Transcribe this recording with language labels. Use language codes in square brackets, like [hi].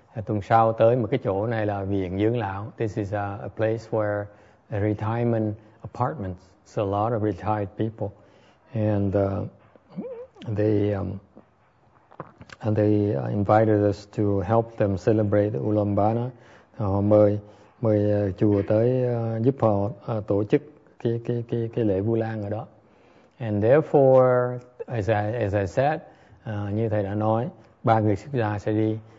[vi] Tuần sau tới một cái chỗ này là viện dưỡng lão. [en] This is a place where a retirement apartments. So a lot of retired people, and they invited us to help them celebrate Ulaanbaatar. [vi] Họ mời chùa tới giúp họ tổ chức cái lễ Vu Lan ở đó. [en] And therefore, as I said, [vi] như thầy đã nói, ba người xuất gia sẽ đi.